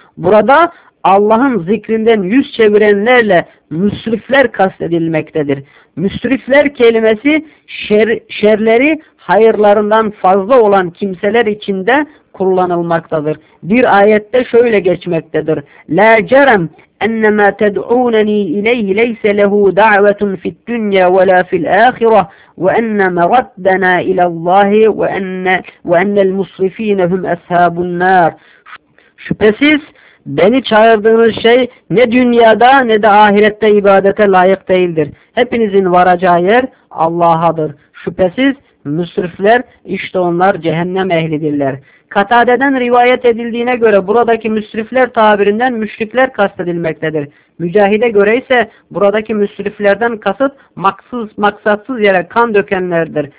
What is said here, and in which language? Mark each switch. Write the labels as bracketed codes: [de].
[tr] Burada Allah'ın zikrinden yüz çevirenlerle müsrifler kastedilmektedir. Müsrifler kelimesi şerleri hayırlarından fazla olan kimseler içinde kullanılmaktadır. Bir ayette şöyle geçmektedir. [ar] لَا جَرَمْ اَنَّمَا تَدْعُونَنِي اِلَيْهِ لَيْسَ لَهُ دَعْوَةٌ فِي الدُّنْيَا وَلَا فِي الْآخِرَةِ وَاَنَّمَا رَدَّنَا اِلَى اللّٰهِ وَاَنَّ الْمُسْرِف۪ينَ هُمْ اَسْحَابُ النَّارِ [tr] Şüphesiz beni çağırdığınız şey ne dünyada ne de ahirette ibadete layık değildir. Hepinizin varacağı yer Allah'adır. Şüphesiz müsrifler işte onlar cehennem ehlidirler. Katade'den rivayet edildiğine göre buradaki müsrifler tabirinden müşrikler kastedilmektedir. Mücahide göre ise buradaki müsriflerden kasıt maksatsız yere kan dökenlerdir.